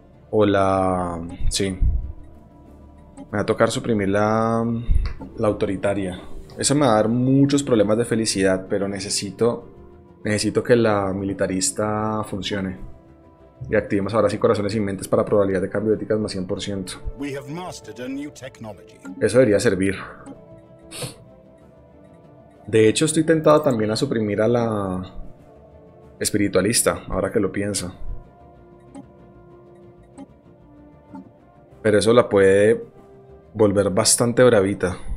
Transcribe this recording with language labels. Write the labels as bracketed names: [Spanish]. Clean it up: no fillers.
[Spanish] o la... sí. Me va a tocar suprimir la autoritaria. Eso me va a dar muchos problemas de felicidad, pero necesito que la militarista funcione. Y activemos ahora sí corazones y mentes para probabilidad de cambio de éticas más 100%. [English] We have mastered a new technology. [Spanish] Eso debería servir. De hecho, estoy tentado también a suprimir a la espiritualista, ahora que lo pienso. Pero eso la puede volver bastante bravita.